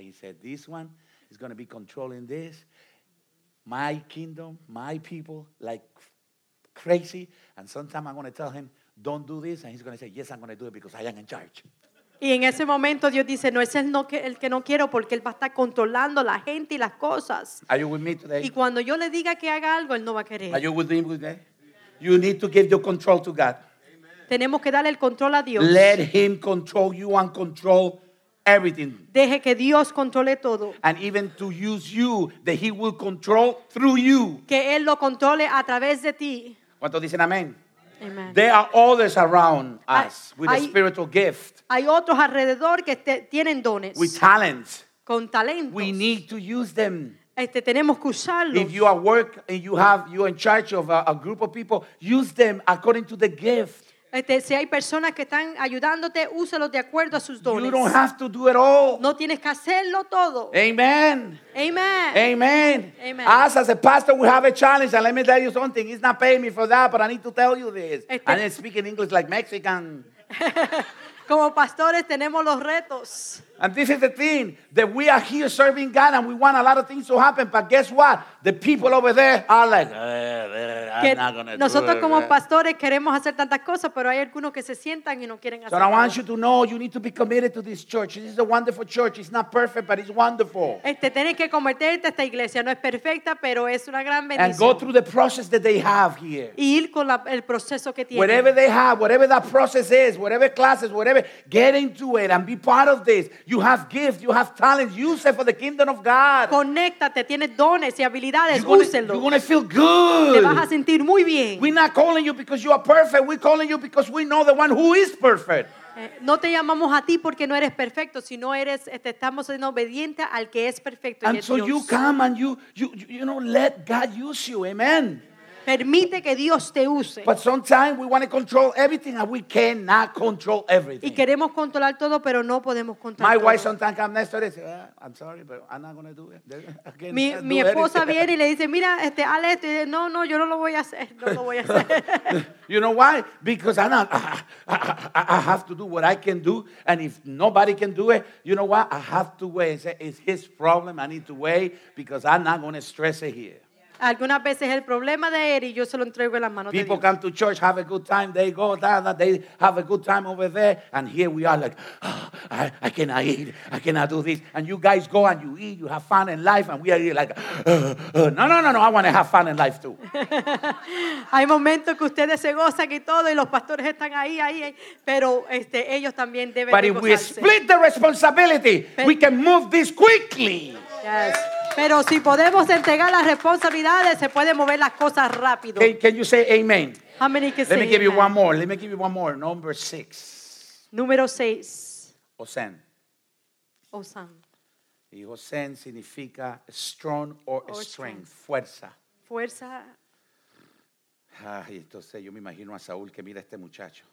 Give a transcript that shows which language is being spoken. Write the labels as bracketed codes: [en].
[en] He said, this one is going to be controlling this. My kingdom, my people, like crazy. And sometimes I'm going to tell him, don't do this. And he's going to say, yes, I'm going to do it because I am in charge. [es] Y en ese momento Dios dice, no es el que no quiero porque él va a estar controlando la gente y las cosas. [en] Are you with me today? [es] Y cuando yo le diga que haga algo, él no va a querer. [en] Are you with me today? You need to give your control to God. [es] Tenemos que darle el control a Dios. [en] Let him control you and control everything. [es] Deje que Dios controle todo. [en] And even to use you, that he will control through you. [es] Que él lo controle a través de ti. ¿Cuántos dicen amén? Amen. [en] There are others around us with a spiritual gift. [es] Hay otros alrededor que tienen dones. [en] With talents. [es] Con talentos. [en] We need to use them. [es] Tenemos que usarlos. [en] If you are work and you're in charge of a group of people, use them according to the gift. [es] Si hay personas que están ayudándote, úsalos de acuerdo a sus dones. [en] You don't have to do it all. [es] No tienes que hacerlo todo. Amen. Amen. Amen. Amen. [en] Us as a pastor, we have a challenge. And let me tell you something. He's not paying me for that, but I need to tell you this. I didn't speak in English like Mexican. [es] Como pastores, tenemos los retos. [en] And this is the thing, that we are here serving God and we want a lot of things to happen. But guess what? The people over there are like, [es] nosotros como pastores queremos hacer tantas cosas, pero hay algunos que se sientan y no quieren hacer. [en] So I want you to know, you need to be committed to this church. This is a wonderful church. It's not perfect, but it's wonderful. [es] Tienes que convertirte a esta iglesia. No es perfecta, pero es una gran bendición. [en] And go through the process that they have here. [es] Y ir con el proceso que tienen. [en] Whatever they have, whatever that process is, whatever classes, whatever, get into it and be part of this. You have gifts, you have talents. Use it for the kingdom of God. [es] Conéctate, tienes dones y habilidades. Úselos. [en] You're going to feel good. [es] Te vas a sentir muy bien. [en] We're not calling you because you are perfect. We're calling you because we know the one who is perfect. [es] No te llamamos a ti porque no eres perfecto, sino eres, estamos siendo obediente al que es perfecto. [en] And so [es] Dios. [en] You come and you let God use you. Amen. [es] Permite que Dios te use. [en] But sometimes we want to control everything and we cannot control everything. [es] Y queremos controlar todo, pero no podemos controlar [en] my [es] todo. [en] Wife sometimes comes next to me and says, I'm sorry, but I'm not going to do it. Again, [es] mi esposa viene y le dice, mira, Ale, yo no lo voy a hacer, no lo voy a hacer. [en] You know why? Because I have to do what I can do, and if nobody can do it, you know what? I have to wait. It's his problem, I need to wait, because I'm not going to stress it here. [es] Algunas veces el problema de él y yo se lo entrego en las manos de Dios. [en] People come to church, have a good time, they go, they have a good time over there, and here we are like, oh, I cannot eat, I cannot do this. And you guys go and you eat, you have fun in life, and we are here like, no, I want to have fun in life too. [es] Hay momentos que ustedes se gozan y todo, y los pastores están ahí, pero ellos también deben de gozarse. [en] But if we split the responsibility, we can move this quickly. Yes. [es] Pero si podemos entregar las responsabilidades, se puede mover las cosas rápido. [en] Can you say amen? How many can Let say me give amen? You one more. Let me give you one more. Number six. [es] Número seis. Osen. Osan. Y Osen significa [en] strong or strength. [es] Fuerza. Fuerza. Ay, entonces yo me imagino a Saúl que mira a este muchacho.